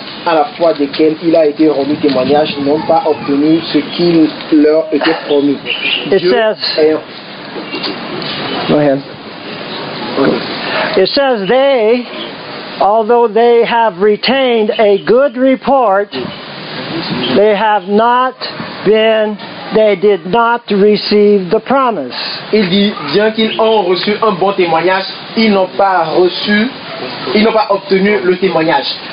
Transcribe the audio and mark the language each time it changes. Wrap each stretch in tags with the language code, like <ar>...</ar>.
<fr>À la foi desquels il a été rendu témoignage, n'ont pas obtenu ce qui leur était promis.</fr> <en>It says they, although they have retained a good report, they have not been. They did not receive the promise.</en> <fr>Il dit bien qu'ils ont reçu un bon témoignage, ils n'ont pas reçu, ils n'ont pas obtenu le témoignage.</fr>